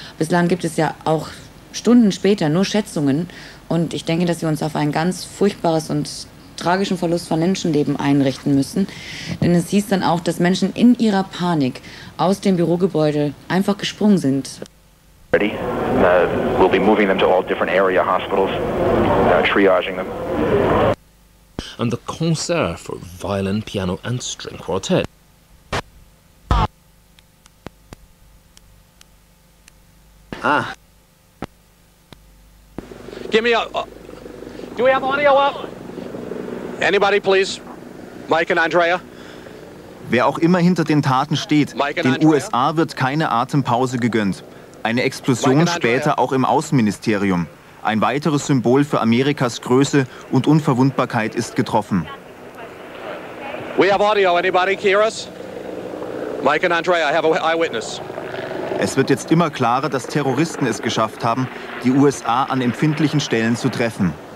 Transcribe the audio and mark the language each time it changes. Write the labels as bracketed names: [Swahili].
[German] Bislang gibt es ja auch Stunden später nur Schätzungen. Und ich denke, dass wir uns auf ein ganz furchtbares und tragischen Verlust von Menschenleben einrichten müssen. Denn es hieß dann auch, dass Menschen in ihrer Panik aus dem Bürogebäude einfach gesprungen sind. [English] Ready. We'll be moving them to all different area hospitals, triaging them. And the concert for violin, piano and string quartet. Ah. Give me a... Do we have audio up? Anybody please? Mike and Andrea? [German] Wer auch immer hinter den Taten steht, den USA wird keine Atempause gegönnt. Eine Explosion später auch im Außenministerium. Ein weiteres Symbol für Amerikas Größe und Unverwundbarkeit ist getroffen. [English] We have audio. Anybody hear us? Mike and Andrea, I have an eyewitness. [German] Es wird jetzt immer klarer, dass Terroristen es geschafft haben, die USA an empfindlichen Stellen zu treffen.